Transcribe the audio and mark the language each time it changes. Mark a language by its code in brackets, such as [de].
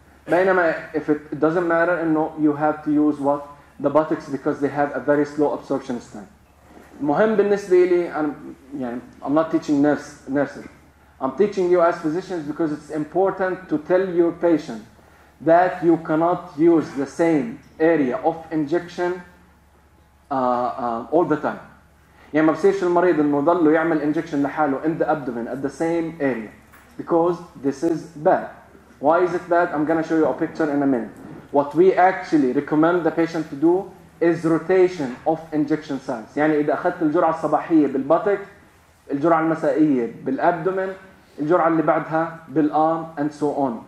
[en] بينما if it doesn't matter, إنه you have to use what the buttocks because they have a very slow absorption time. [ar] المهم بالنسبة لي, [en] I'm not teaching nurses. I'm teaching you as physicians because it's important to tell your patient that you cannot use the same area of injection all the time. [ar] يعني ما بصيرش المريض إنه يضلوا يعمل [en] injection لحاله in the abdomen at the same area because this is bad. Why is it bad? I'm gonna show you a picture in a minute. What we actually recommend the patient to do is rotation of injection sites. [ar] يعني إذا أخذت الجرعة الصباحية بالبطك, الجرعة المسائية بالأبدومن, الجرعة اللي بعدها بالأرم, [en] and so on.